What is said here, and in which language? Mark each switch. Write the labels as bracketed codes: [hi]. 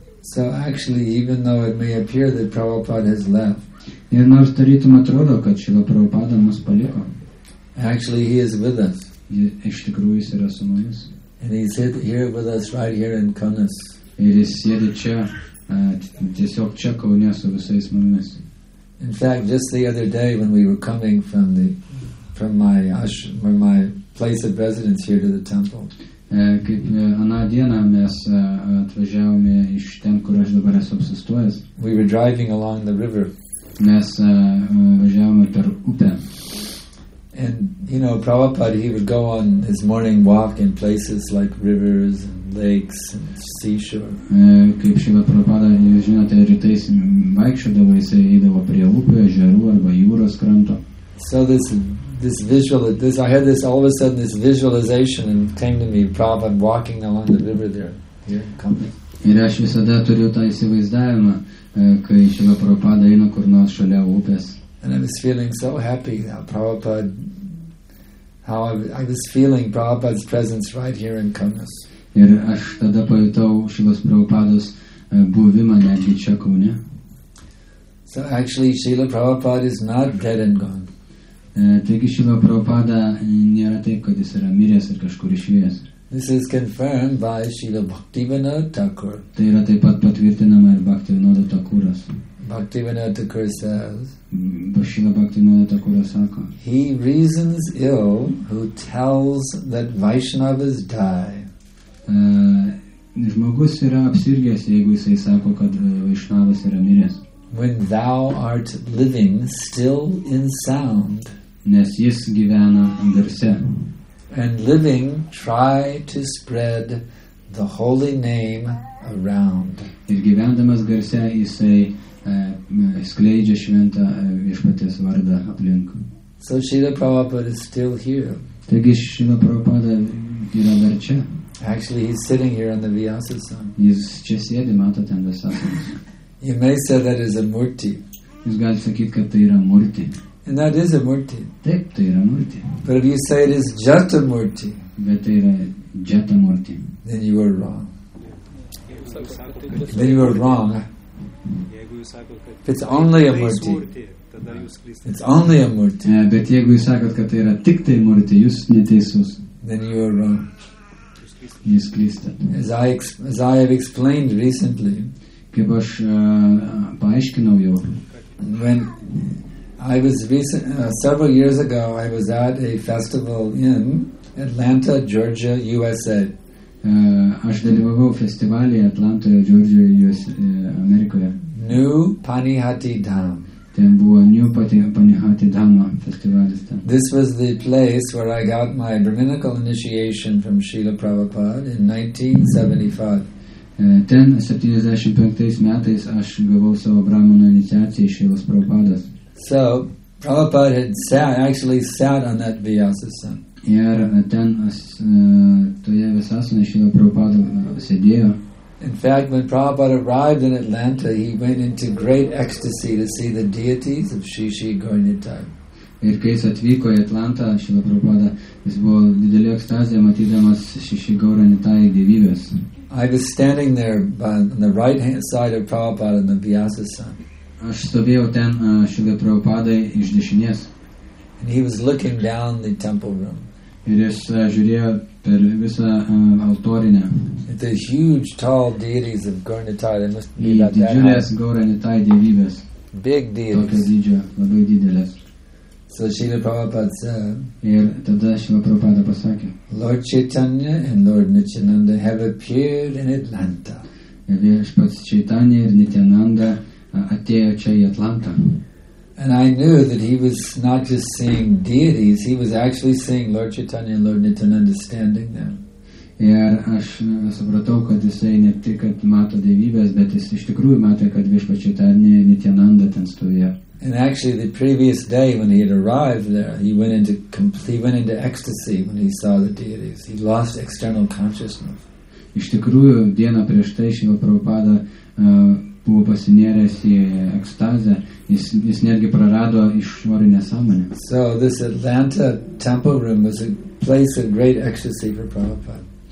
[en] So actually, even though it may appear that Prabhupada has left, [lt] ir nors tarytum atrodo, kad Srila Prabhupada mus paliko, [en] actually, he is with us. [lt] Iš tikrųjų, jis yra su mumis. [en] And he sit here with us right here in Kaunas. [lt] Ir jis sėdi čia, tiesiog čia Kaune su visais mumis. [en] In fact, just the other day when we were coming from my place of residence here to the temple. [lt] Kaip aną dieną mes atvažiavome iš ten, kur aš dabar esu apsistojęs. [en] We were driving along the river. [lt] Mes važiavome per upę. [en] And you know, Prabhupada, he would go on his morning walk in places like rivers and lakes and seashore. [lt] Kaip Srila Prabhupada, jūs žinote, rytais vaikščiodavo, jis eidavo prie upių, ežerų arba jūros kranto. [en] So this visual, this I had this all of a sudden this visualization and came to me, Prabhupada walking along the river there. [lt] Ir aš visada turiu tą įsivaizdavimą, kai Šila Prabhupada eina kur nors šalia upės. [en] And I was feeling so happy how Prabhupada, I was feeling Prabhupada's presence right here in Kaunas. [lt] Ir aš tada pajutau Šilas Prabhupados buvimą netgi čia Kaune. [en] So actually Šila Prabhupada is not dead and gone. [lt] Taigi Šila Prabhupada nėra taip, kad jis yra miręs ir kažkur išvėjęs. [en] This is confirmed by Srila Bhaktivinoda Thakur. [lt] Tai yra taip pat patvirtinama ir Bhaktivinoda Thakuras. [en] Bhaktivinoda Thakur says, [lt] Srila Bhaktivinoda Thakura sako, [en] he reasons ill who tells that Vaishnavas die. [lt] Žmogus yra apsirgęs, jeigu jisai sako, kad Vaishnavas yra miręs. [en] When thou art living still in sound. [lt] Nes jis gyvena garse. [en] And living, try to spread the holy name around. [lt] Ir gyvendamas garse, jisai skleidžia šventą viešpaties vardą aplink. [en] So Srila Prabhupada is still here. [lt] Taigi Srila Prabhupada yra dar čia. [en] Actually, he's sitting here on the Vyasasana. [lt] Jis čia sėdi, matote, ant Vyasasanos. [en] You may say that is a murti. [lt] Jis gali sakyti, kad tai yra murti. [en] And that is a murti. [lt] Taip, tai yra murti. [en] But if you say it is jata murti, [lt] bet tai yra jata murti, [en] then you are wrong. Then you are wrong. If it's only a murti, it's only a murti. [lt] Bet jeigu jūs sakot, kad tai yra tik tai murti, jūs neteisus. [en] Then you are wrong. [lt] Jūs klystat. [en] As I have explained recently, [lt] kaip aš paaiškinau jau, [en] when I was several years ago I was at a festival in Atlanta, Georgia, USA. [lt] Aš dalyvavau festivalyje Atlantoje, Georgijoje, Amerikoje. [en] New Panihati Dham. [lt] Ten buvo New Panihati Dham festivalis. [en] This was the place where I got my brahminical initiation from Srila Prabhupada in 1975. [lt] Ten 75 metais aš gavau savo brahmano iniciaciją iš Srilos Prabhupados. [en] So Prabhupada had sat on that Vyasasana. [lt] Ir ten toje Vyasasana Šila Prabhupada sėdėjo. [en] In fact, when Prabhupada arrived in Atlanta, he went into great ecstasy to see the deities of Shishi Gaurinitai. [lt] Ir kai jis atvyko į Atlantą, Šila Prabhupada, jis buvo didelė ekstazija matydamas Shishi Gaurinitai dievybės. [en] I was standing there on the right hand side of Prabhupada in the Vyasasana. [lt] Aš stovėjau ten Šila Prabhupadai iš dešinės. [en] And he was looking down the temple room. [lt] Ir jis žiūrėjo per visą altorinę. [en] At the huge tall deities of Gaurinitai, they must be about that. [lt] Didžiulės Gaurinitai dievybės. [en] Big deities. [lt] Tokio dydžio, labai didelės. [en] So Srila Prabhupada said, [lt] ir tada Srila Prabhupada pasakė, [en] Lord Chaitanya and Lord Nityananda have appeared in Atlanta. [lt] Ir viešpats Chaitanya ir Nityananda atėjo čia į Atlantą. [en] And I knew that he was not just seeing deities, he was actually seeing Lord Chaitanya and Lord Nityananda standing there. [lt] Ir aš supratau, kad jisai ne tik kad mato dievybės, bet jis iš tikrųjų matė, kad viešpats Chaitanya ir Nityananda ten stovėjo. [en] And actually the previous day when he had arrived there, he went into ecstasy when he saw the deities. He lost external consciousness. [lt] Iš tikrųjų, dieną prieš tai Šila Prabhupada buvo pasinėręs į ekstazę, jis netgi prarado išorinę sąmonę. [en] So this Atlanta temple room was a place of great ecstasy for Prabhupada.